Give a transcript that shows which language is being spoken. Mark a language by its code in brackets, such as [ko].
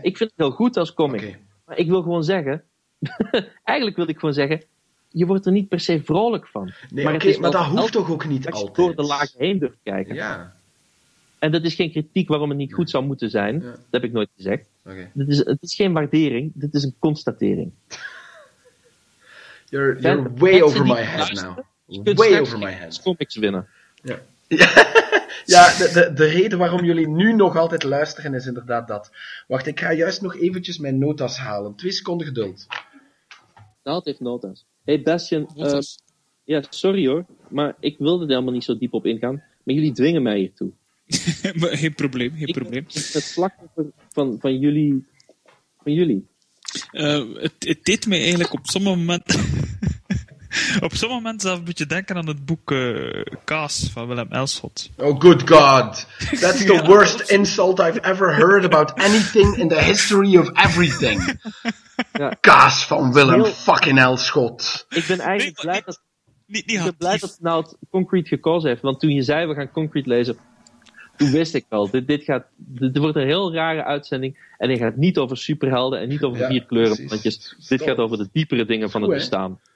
[nl] Ik vind het heel goed als comic. Okay. Maar ik wil gewoon zeggen... eigenlijk wil ik gewoon zeggen... Je wordt er niet per se vrolijk van. Nee, maar dat hoeft toch ook niet altijd. Als je door de laag heen durft kijken. Ja. En dat is geen kritiek waarom het niet goed zou moeten zijn. Ja. Dat heb ik nooit gezegd. Okay. Het is geen waardering. Dit is een constatering. [en] You're way over my head now. [nl] Je kunt [en] way over my head. [nl] Comics winnen. Ja. Ja, de reden waarom jullie nu nog altijd luisteren is inderdaad dat. Wacht, ik ga juist nog eventjes mijn notas halen. 2 seconden geduld. Daalt heeft notas. Hey Bastian. Ja, sorry hoor, maar ik wilde er helemaal niet zo diep op ingaan. Maar jullie dwingen mij hiertoe. Maar geen probleem, geen probleem. Het vlak van jullie. Het deed mij eigenlijk op sommige momenten... op sommige momenten zelf een beetje denken aan het boek Kaas van Willem Elschot. [en] Oh, good God. That's the worst insult I've ever heard about anything in the history of everything. [nl] Ja. Kaas van Willem fucking Elschot. Ik ben eigenlijk blij dat Nout Concrete gekozen heeft. Want toen je zei, we gaan Concrete lezen... Toen wist ik al, dit wordt een heel rare uitzending. En het gaat niet over superhelden en niet over 4 kleuren. Want dit gaat over de diepere dingen van het bestaan.